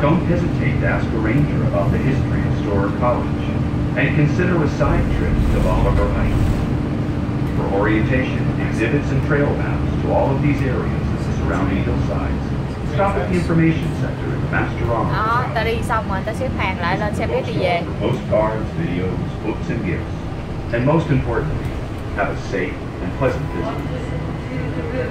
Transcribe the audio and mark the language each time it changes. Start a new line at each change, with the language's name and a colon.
English: Don't hesitate to ask a ranger about the history of Storer College, and consider a side trip to Bolivar Heights. For orientation, exhibits, and trail maps to all of these areas and the surrounding hillsides, stop at the information center at the Master Arms.
Vietnamese: Ta đi xong rồi ta xếp hàng lại lên xe buýt đi về.
English: Postcards, videos, books, and gifts, and most importantly, have a safe and pleasant visit.